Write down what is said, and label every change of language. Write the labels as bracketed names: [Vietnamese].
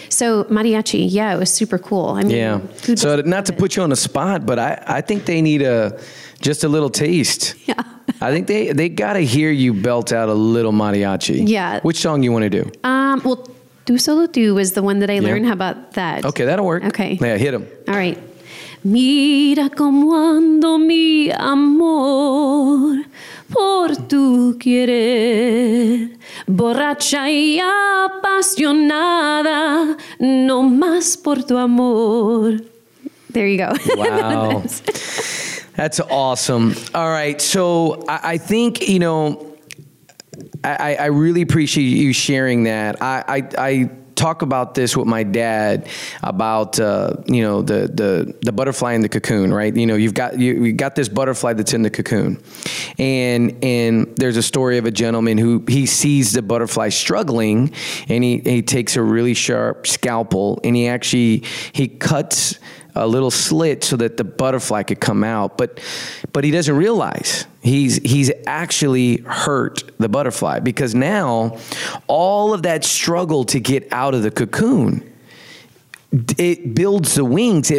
[English] So mariachi, it was super cool. I mean, yeah. So not to put you on the spot, but I think they need just a little taste. Yeah. I think they got to hear you belt out a little mariachi. Yeah. Which song you want to do? Well, Do Solo Do was the one that I learned. How about that? Okay, that'll work. Okay. Yeah, hit him. All right. [Spanish] Mira como ando mi amor por tu querer. Borracha y apasionada no más por tu amor. [English] There you go. Wow. That's awesome. All right. So I think, I really appreciate you sharing that. I talk about this with my dad about, the butterfly in the cocoon, right? You've got this butterfly that's in the cocoon, and there's a story of a gentleman who he sees the butterfly struggling, and he takes a really sharp scalpel and he cuts a little slit so that the butterfly could come out, but he doesn't realize he's actually hurt the butterfly, because now all of that struggle to get out of the cocoon, it builds the wings.